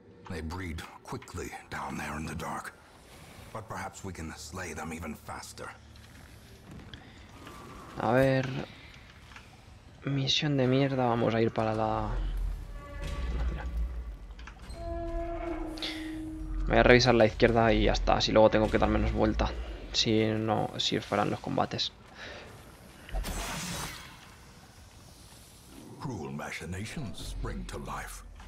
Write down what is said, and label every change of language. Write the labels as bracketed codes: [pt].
[en] They breed quickly down there in the dark. But perhaps we can slay them even faster. [es] A ver. Misión de mierda, vamos a ir para la. Voy a revisar la izquierda y ya está. Así luego tengo que dar menos vuelta. Si no, si fueran los combates. [en] Cruel machinations spring to life.